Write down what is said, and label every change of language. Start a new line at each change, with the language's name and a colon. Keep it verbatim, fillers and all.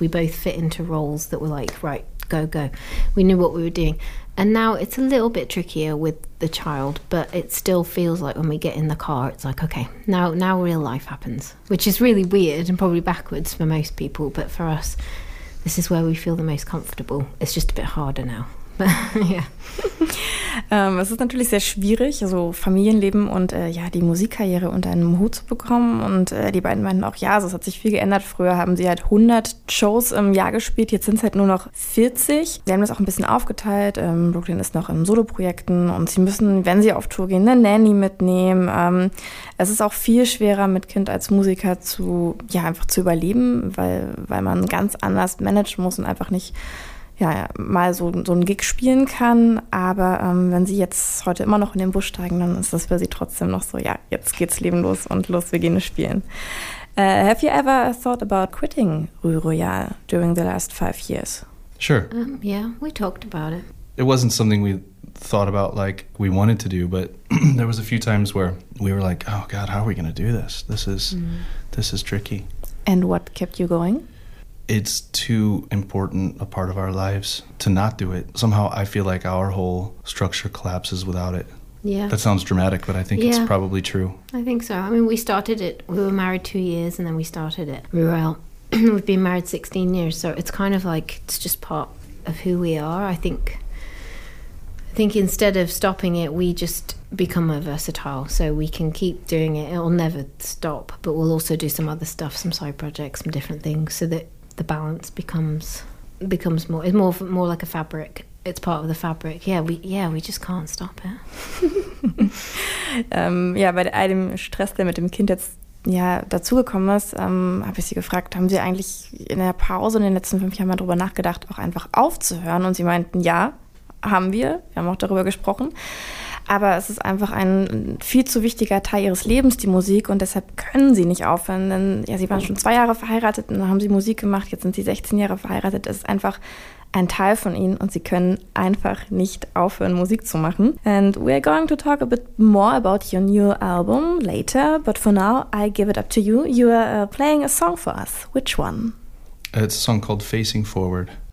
English: We both fit into roles that were like, right, go, go. We knew what we were doing. And now it's a little bit trickier with the child, but it still feels like when we get in the car, it's like, okay, now, now real life happens, which is really weird and probably backwards for most people. But for us, this is where we feel the most comfortable. It's just a bit harder now.
German: Ja. ähm, es ist natürlich sehr schwierig, so Familienleben und äh, ja, die Musikkarriere unter einem Hut zu bekommen. Und äh, die beiden meinten auch, ja, also es hat sich viel geändert. Früher haben sie halt hundert Shows im Jahr gespielt, jetzt sind es halt nur noch vierzig. Sie haben das auch ein bisschen aufgeteilt. Ähm, Brooklyn ist noch in Soloprojekten und sie müssen, wenn sie auf Tour gehen, eine Nanny mitnehmen. Ähm, es ist auch viel schwerer, mit Kind als Musiker zu, ja, einfach zu überleben, weil, weil man ganz anders managen muss und einfach nicht ja, mal so, so einen Gig spielen kann, aber ähm, wenn sie jetzt heute immer noch in den Bus steigen, dann ist das für sie trotzdem noch so, ja, jetzt geht's Leben los und los, wir gehen spielen.
English: Uh, have you ever thought about quitting Rue Royale during the last five years? Sure. Um, yeah, we talked about it. It wasn't something we thought about like we wanted to do, but there was a few times where we were like, oh God, how are we going to do this? This is, mm. this is tricky. And what kept you going? It's too important a part of our lives to not do it. Somehow I feel like our whole structure collapses without it. Yeah. That sounds dramatic, but I think yeah. it's probably true. I think so. I mean, we started it, we were married two years and then we started it. We were We've been married sixteen years, so it's kind of like, it's just part of who we are. I think, I think instead of stopping it, we just become more versatile, so we can keep doing it. It'll never stop, but we'll also do some other stuff, some side projects, some different things, so that the balance becomes becomes more. It's more more like a fabric. It's part of the fabric. Yeah, we yeah we just can't stop it.
German: ähm, ja, bei all dem Stress, der mit dem Kind jetzt ja dazugekommen ist, ähm, habe ich sie gefragt, haben sie eigentlich in der Pause in den letzten fünf Jahren mal drüber nachgedacht, auch einfach aufzuhören? Und sie meinten, ja, haben wir. Wir haben auch darüber gesprochen. Aber es ist einfach ein viel zu wichtiger Teil ihres Lebens, die Musik. Und deshalb können sie nicht aufhören. Denn ja, sie waren schon zwei Jahre verheiratet und dann haben sie Musik gemacht. Jetzt sind sie sechzehn Jahre verheiratet. Es ist einfach ein Teil von ihnen und sie können einfach nicht aufhören, Musik zu machen.
English: And we're going to talk a bit more about your new album later. But for now, I give it up to you. You are uh, playing a song for us. Which one? It's a song called Facing Forward.